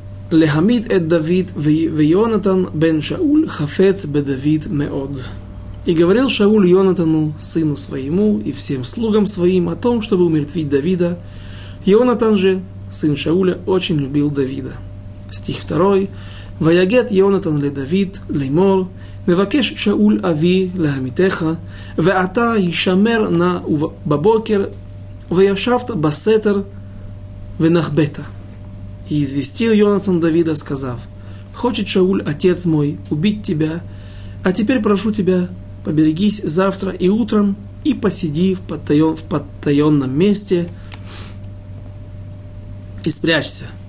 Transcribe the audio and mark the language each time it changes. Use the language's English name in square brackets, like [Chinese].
[Hebrew] Лехамид эт Давид ве Йонатан бен Шауль хафец бе Давид меод. [Russian] И говорил Шауль Йонатану, сыну своему, и всем слугам своим о том, чтобы умертвить Давида. Йонатан же, сын Шауля, очень любил Давида. Стих 2. [Hebrew] ויגד יונתן לדוד לימור מבקש שאול אבי להמיתך ואתה ישמר נא בבוקר וישבת בסתר ונחבת. [Russian] И известил Йонатан Давида, сказав: хочет Шауль, отец мой, убить тебя, а теперь прошу тебя, поберегись завтра и утром и посиди в подтаенном месте и спрячься.